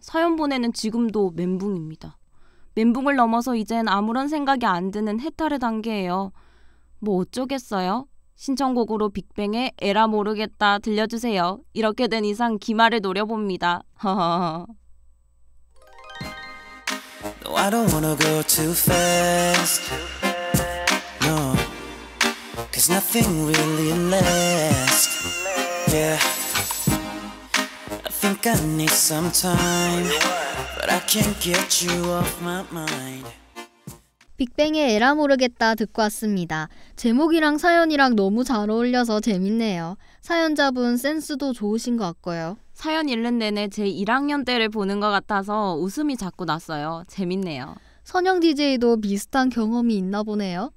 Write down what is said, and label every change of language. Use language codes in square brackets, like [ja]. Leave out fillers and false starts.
[ko] 사연 보내는 지금도 멘붕입니다. 멘붕을 넘어서 이젠 아무런 생각이 안 드는 해탈의 단계예요. 뭐 어쩌겠어요? 신청곡으로 빅뱅의 에라 모르겠다 들려주세요. 이렇게 된 이상 기말을 노려봅니다. 허허허. [en] No, I don't wanna go too fast. No. Cause nothing really lasts. Yeah. I think I need some time. But I can't get you off my mind. [ko] 빅뱅의 에라 모르겠다 듣고 왔습니다. 제목이랑 사연이랑 너무 잘 어울려서 재밌네요. 사연자분 센스도 좋으신 것 같고요. 사연 읽는 내내 제 1학년 때를 보는 것 같아서 웃음이 자꾸 났어요. 재밌네요. 선영 DJ도 비슷한 경험이 있나 보네요.